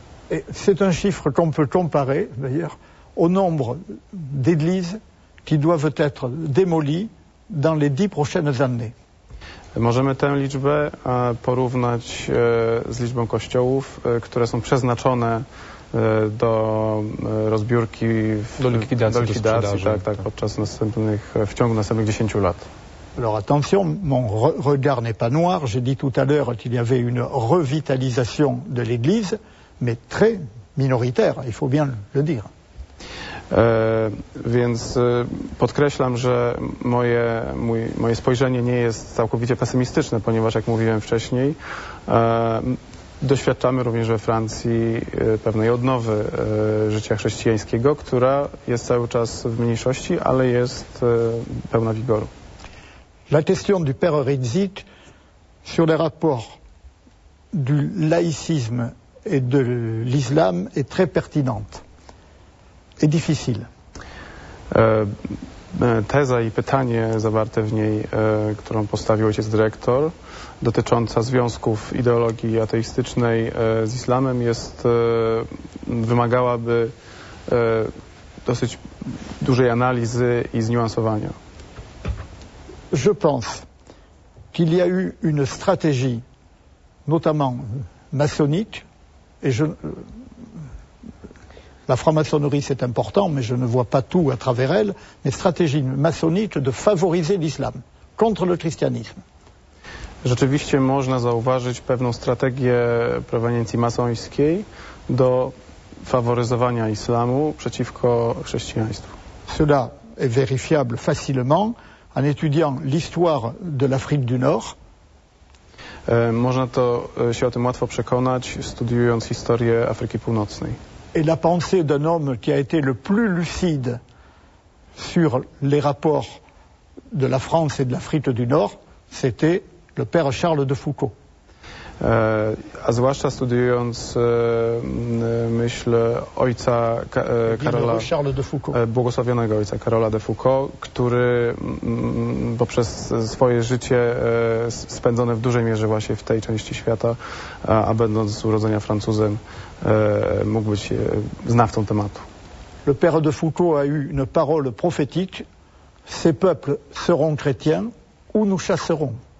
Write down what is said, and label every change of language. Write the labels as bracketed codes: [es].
[fr] Et c'est un chiffre qu'on peut comparer d'ailleurs au nombre d'églises qui doivent être démolies dans les 10 prochaines années. [pl] Możemy tę liczbę porównać z liczbą kościołów, które są przeznaczone do rozbiórki, do likwidacji tak. W ciągu następnych 10 lat. [fr] Alors attention, mon regard n'est pas noir. J'ai dit tout à l'heure qu'il y avait une revitalisation de l'Église, mais très minoritaire, il faut bien le dire. [pl] Więc podkreślam, że moje spojrzenie nie jest całkowicie pesymistyczne, ponieważ jak mówiłem wcześniej, doświadczamy również we Francji pewnej odnowy życia chrześcijańskiego, która jest cały czas w mniejszości, ale jest pełna wigoru. [fr] La question du père Rizik sur les rapports du laïcisme et de l'islam est très pertinente et difficile. [pl] Teza i pytanie zawarte w niej, którą postawił ojciec dyrektor, dotycząca związków ideologii ateistycznej z islamem, jest wymagałaby dosyć dużej analizy i zniuansowania. [fr] Je pense qu'il y a eu une stratégie, notamment maçonnique, et la franc-maçonnerie c'est important, mais je ne vois pas tout à travers elle, mais stratégie maçonnique de favoriser l'islam contre le christianisme. [pl] Rzeczywiście można zauważyć pewną strategię proweniencji masońskiej do faworyzowania islamu przeciwko chrześcijaństwu. [fr] Cela est vérifiable facilement. En étudiant l'histoire de l'Afrique du Nord, [pl] można to się o tym łatwo przekonać, studiując historię Afryki Północnej. [fr] Et la pensée d'un homme qui a été le plus lucide sur les rapports de la France et de l'Afrique du Nord, c'était le père Charles de Foucault. [pl] A zwłaszcza studiując myślę ojca Karola, [fr] Charles de Foucault. [pl] Błogosławionego ojca Karola de Foucault, który poprzez swoje życie spędzone w dużej mierze właśnie w tej części świata, a będąc z urodzenia Francuzem, mógł być znawcą tematu. [fr] Le père de Foucault a eu une parole prophétique: ces peuples seront chrétiens ou nous chasserons.